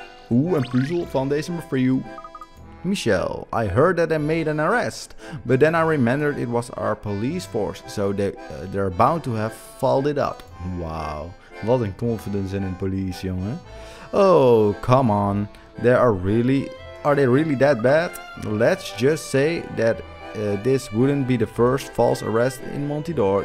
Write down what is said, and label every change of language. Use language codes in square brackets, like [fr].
[nl] Ooh, een puzzel van deze maar voor jou. [en] Michel, I heard that they made an arrest, but then I remembered it was our police force, so they're bound to have followed it up. [nl] Wow, wat een [en] confidence [nl] in een [en] police, [nl] jongen. [en] Oh, come on. Are they really that bad? Let's just say that this wouldn't be the first false arrest in Montidor.